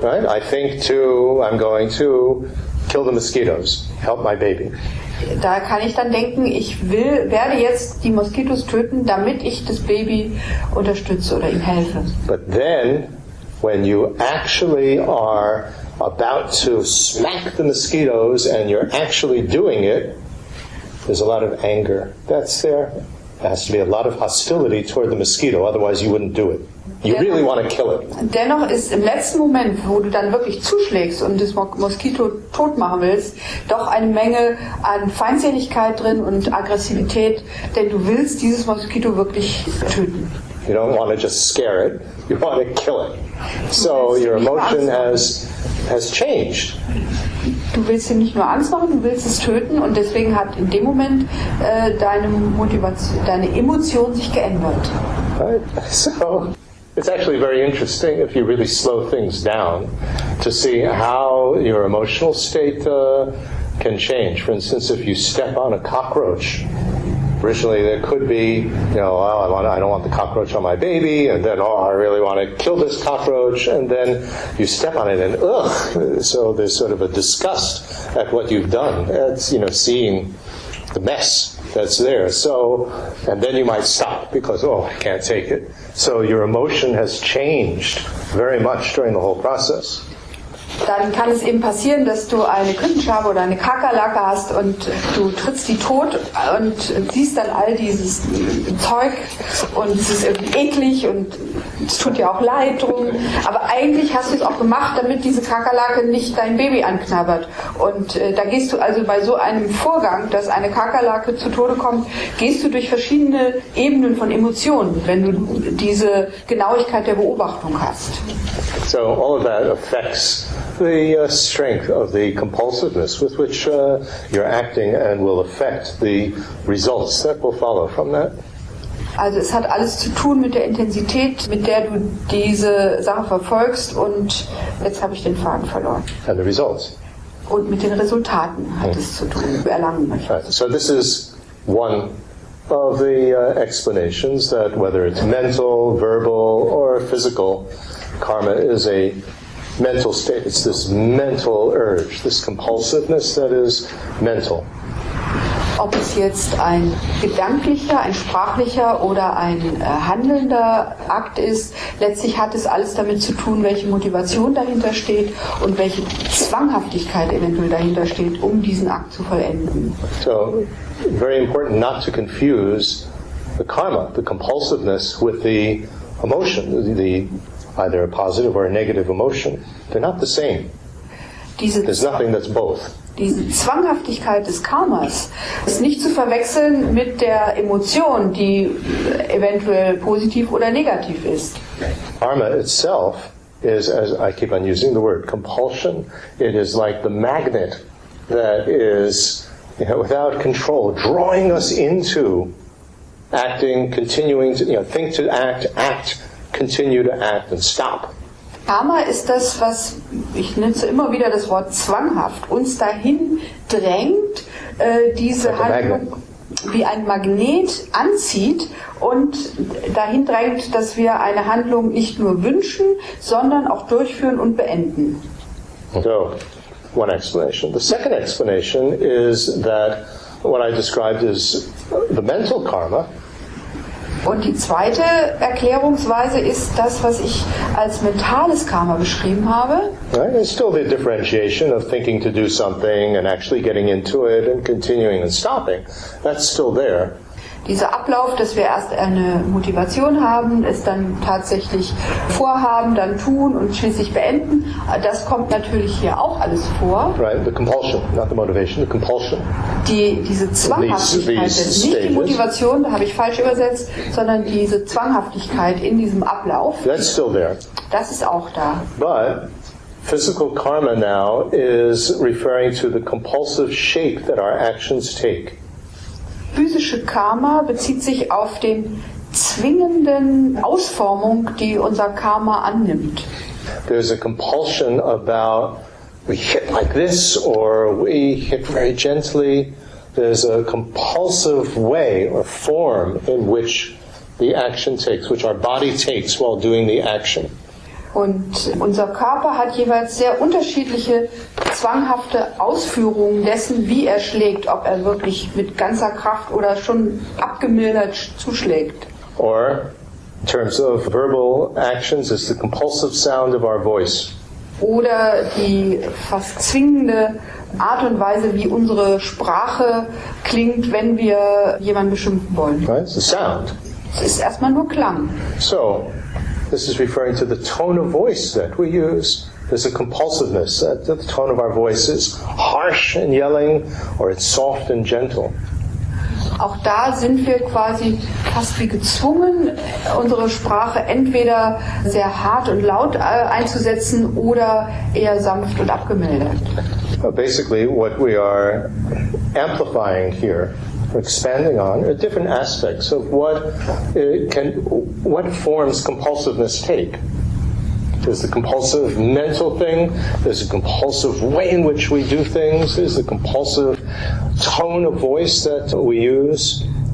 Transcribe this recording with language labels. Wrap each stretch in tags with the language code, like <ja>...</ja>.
<en>Right, I think too, I'm going to kill the mosquitoes, help my baby.</en> <de>Da kann ich dann denken, werde jetzt die Moskitos töten, damit ich das Baby unterstütze oder ihm helfe.</de> <en>But then, when you actually are about to smack the mosquitoes and you're actually doing it, there's a lot of anger that's there. There has to be a lot of hostility toward the mosquito, otherwise you wouldn't do it. You really want to kill it.</en> <de>Dennoch ist im letzten Moment, wo du dann wirklich zuschlägst und das Mosquito tot machen willst, doch eine Menge an Feindseligkeit drin und Aggressivität, denn du willst dieses Mosquito wirklich töten.</de> <en>You don't want to just scare it, you want to kill it. So your emotion has changed.</en> <de>Du willst ihm nicht nur Angst machen, du willst es töten, und deswegen hat in dem Moment deine Emotion sich geändert.</de> <en>Right. So it's actually very interesting if you really slow things down to see how your emotional state can change. For instance, if you step on a cockroach, Originally, there could be, I don't want the cockroach on my baby, and then, I really want to kill this cockroach, and then you step on it, and ugh! So there's sort of a disgust at what you've done. That's, seeing the mess that's there. So, and then you might stop because, I can't take it. So your emotion has changed very much during the whole process.</en> <de>Dann kann es eben passieren, dass du eine Küchenschabe oder eine Kakerlake hast und du trittst die tot und siehst dann all dieses Zeug und es ist irgendwie eklig und es tut dir auch leid drum. Aber eigentlich hast du es auch gemacht, damit diese Kakerlake nicht dein Baby anknabbert. Und da gehst du also bei so einem Vorgang, dass eine Kakerlake zu Tode kommt, gehst du durch verschiedene Ebenen von Emotionen, wenn du diese Genauigkeit der Beobachtung hast.</de> <en>So all of that affects the strength of the compulsiveness with which you're acting and will affect the results that will follow from that.</en> <de>Also es hat alles zu tun mit der Intensität, mit der du diese Sache verfolgst, und jetzt habe ich den Faden verloren.</de> <en>And the results.</en> <de>Und mit den Resultaten hat es zu tun, die du erlangen möchtest.</de> <en>So this is one of the explanations that whether it's mental, verbal or physical, karma is a mental state. It's this mental urge, this compulsiveness that is mental.</en> <de>Ob es jetzt ein gedanklicher, ein sprachlicher oder ein handelnder Akt ist, letztlich hat es alles damit zu tun, welche Motivation dahinter steht und welche Zwanghaftigkeit eventuell dahinter steht, um diesen Akt zu vollenden.</de> <en>So, very important not to confuse the karma, the compulsiveness, with the emotion, the either a positive or a negative emotion. They're not the same. There's nothing that's both.</en> <de>Diese Zwanghaftigkeit des Karmas ist nicht zu verwechseln mit der Emotion, die eventuell positiv oder negativ ist.</de> <en>Karma itself is, as I keep on using the word, compulsion. It is like the magnet that is, without control, drawing us into acting, continuing to, think to act, continue to act and stop.</en> <de>Karma ist das, was, ich nutze immer wieder das Wort zwanghaft, uns dahin drängt, diese</de> <en>like</en> <de>Handlung wie ein Magnet anzieht und dahin drängt, dass wir eine Handlung nicht nur wünschen, sondern auch durchführen und beenden.</de> <en>So, one explanation. The second explanation is that what I described is the mental karma.</en> <de>Und die zweite Erklärungsweise ist das, was ich als mentales Karma beschrieben habe.</de> <en>Right, it's still the differentiation of thinking to do something and actually getting into it and continuing and stopping. That's still there.</en> <de>Dieser Ablauf, dass wir erst eine Motivation haben, es dann tatsächlich vorhaben, dann tun und schließlich beenden, das kommt natürlich hier auch alles vor.</de> <en>Right, the compulsion, not the motivation, the compulsion.</en> <de>Diese Zwanghaftigkeit, nicht die Motivation, da habe ich falsch übersetzt, sondern diese Zwanghaftigkeit in diesem Ablauf.</de> <en>That's still there.</en> <de>Das ist auch da.</de> <en>But physical karma now is referring to the compulsive shape that our actions take.</en> <de>Physische Karma bezieht sich auf den zwingenden Ausformung, die unser Karma annimmt.</de> <en>There's a compulsion about we hit like this or we hit very gently. There's a compulsive way or form in which the action takes, which our body takes while doing the action.</en> <de>Und unser Körper hat jeweils sehr unterschiedliche zwanghafte Ausführungen dessen, wie er schlägt, ob er wirklich mit ganzer Kraft oder schon abgemildert zuschlägt.</de> <en>Or, in terms of verbal actions, is the compulsive sound of our voice.</en> <de>Oder die fast zwingende Art und Weise, wie unsere Sprache klingt, wenn wir jemanden beschimpfen wollen.</de> <en>Right, it's a sound.</en> <de>Es ist erstmal nur Klang.</de> <en>So, this is referring to the tone of voice that we use. There's a compulsiveness that the tone of our voice is harsh and yelling, or it's soft and gentle.</en> <de>Auch da sind wir quasi fast wie gezwungen, unsere Sprache entweder sehr hart und laut einzusetzen oder eher sanft und abgemildert.</de> <en>Basically, what we are amplifying here, we're expanding on different aspects of what forms compulsiveness take. There's the compulsive mental thing, there's a compulsive way in which we do things, there's the compulsive tone of voice that we use.</en>